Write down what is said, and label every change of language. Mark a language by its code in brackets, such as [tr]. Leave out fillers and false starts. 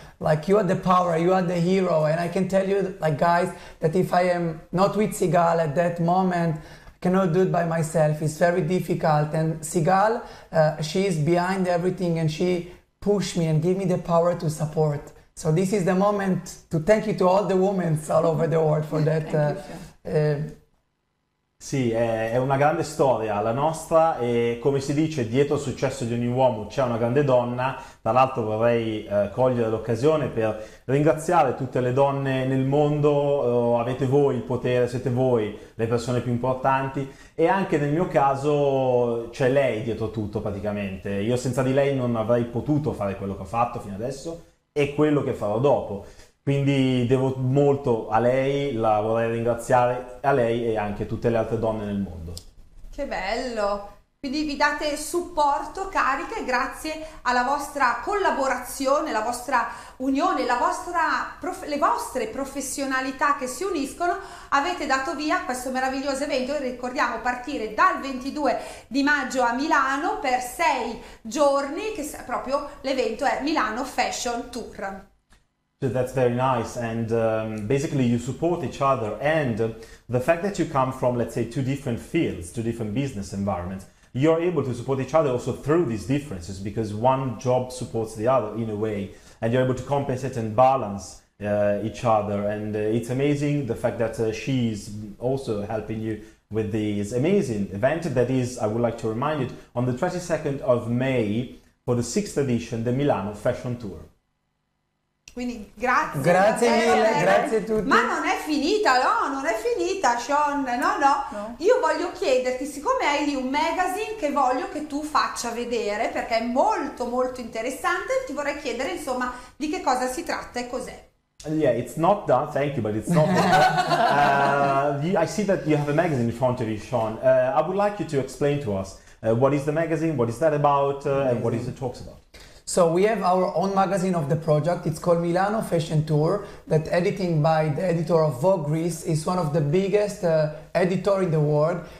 [en] Like, you are the power, you are the hero. And I can tell you, like, guys, that if I am not with Sigal at that moment, I cannot do it by myself. It's very difficult. And Sigal, she is behind everything and she pushed me and gave me the power to support. So this is the moment to thank you to all the women all over the world for Thank you, that. Sean. [it] Sì, è una grande storia la nostra e come si dice, dietro al successo di ogni uomo c'è una grande donna. Tra l'altro vorrei cogliere l'occasione per ringraziare tutte le donne nel mondo, avete voi il potere, siete voi le persone più importanti e anche nel mio caso c'è lei dietro tutto praticamente. Io senza di lei non avrei potuto fare quello che ho fatto fino adesso. E quello che farò dopo. Quindi devo molto a lei, la vorrei ringraziare a lei e anche tutte le altre donne nel mondo. Che bello! Quindi vi date supporto, cariche, grazie alla vostra collaborazione, la vostra unione, le vostre professionalità che si uniscono, avete dato via a questo meraviglioso evento. Ricordiamo partire dal 22 di maggio a Milano per 6 giorni, che proprio l'evento è Milano Fashion Tour. [en] So that's very nice, and basically you support each other. And the fact that you come from, let's say, two different fields, two different business environments, you're able to support each other also through these differences because one job supports the other in a way, and you're able to compensate and balance each other. And it's amazing the fact that she's also helping you with this amazing event that is, I would like to remind you, on the 22nd of May for the 6th edition, the Milano Fashion Tour. [it] Quindi grazie Grazie mille, grazie a davvero, davvero. Ma tutti. non è finita, no? Non è finita, Sean. No, no. No. Io voglio chiederti, siccome hai lì un magazine che voglio che tu faccia vedere, perché è molto, molto interessante, ti vorrei chiedere, insomma, di che cosa si tratta e cos'è. [en] Yeah, it's not done, thank you, but it's not done. I see that you have a magazine in front of you, Sean. I would like you to explain to us what is the magazine, what is that about, and what is Amazing. it talks about. So we have our own magazine of the project. It's called Milano Fashion Tour, that editing by the editor of Vogue Greece is one of the biggest editor in the world.